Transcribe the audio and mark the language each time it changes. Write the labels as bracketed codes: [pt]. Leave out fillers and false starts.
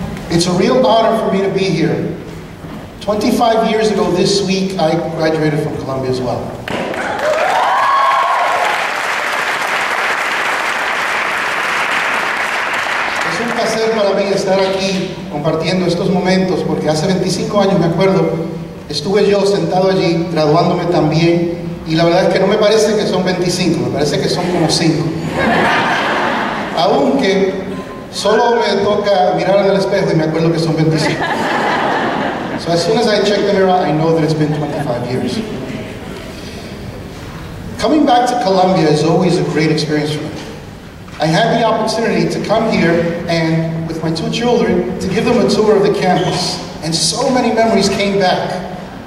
[en] It's a real honor for me to be here. 25 years ago this week, I graduated from Columbia as well. [es] Es un placer para mí estar aquí compartiendo estos momentos porque hace 25 años, me acuerdo, estuve yo sentado allí graduándome también y la verdad es que no me parece que son 25, me parece que son como 5. Aunque solo me toca mirar en el espejo y me acuerdo que son 25. [en] So as soon as I check the mirror, I know that it's been 25 years. Coming back to Columbia is always a great experience for me. I had the opportunity to come here and with my 2 children to give them a tour of the campus, and so many memories came back.